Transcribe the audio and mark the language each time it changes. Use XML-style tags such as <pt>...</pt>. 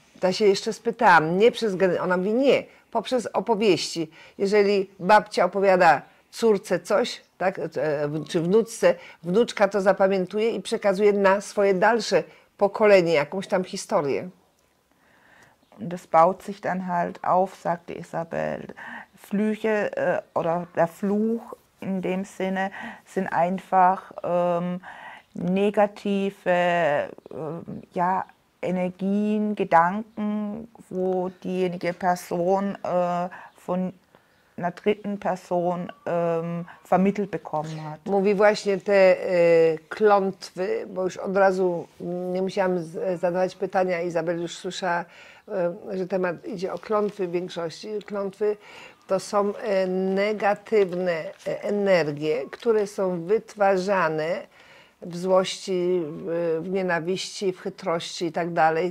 <pl>Ja się jeszcze spytałam, nie przez genetykę. Ona mówi, nie, poprzez opowieści. Jeżeli babcia opowiada córce coś, tak, czy wnuczce, wnuczka to zapamiętuje i przekazuje na swoje dalsze pokolenie jakąś tam historię.</pl> <de>Das baut sich dann halt auf, sagte Isabel. Flüche oder der Fluch in dem Sinne sind einfach negative ja, Energien, Gedanken, wo diejenige Person von einer dritten Person vermittelt bekommen hat.</de> <pl>Mówi właśnie te klątwy, bo już od razu nie musiałam zadawać pytania, Izabel już słyszała, że temat idzie o klątwy w większości. Klątwy to są negatywne energie, które są wytwarzane w złości, w nienawiści, w chytrości i tak dalej.</pl>